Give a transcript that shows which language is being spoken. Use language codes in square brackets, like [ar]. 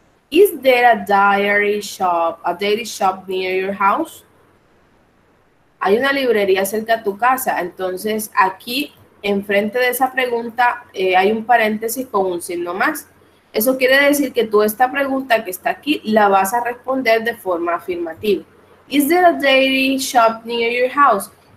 [en] ¿Is there a dairy shop near your house? [es] Hay una librería cerca de tu casa. Entonces, aquí, enfrente de esa pregunta, hay un paréntesis con un signo más. Eso quiere decir que tú esta pregunta que está aquí la vas a responder de forma afirmativa. [en] ¿Is there a dairy shop near your house?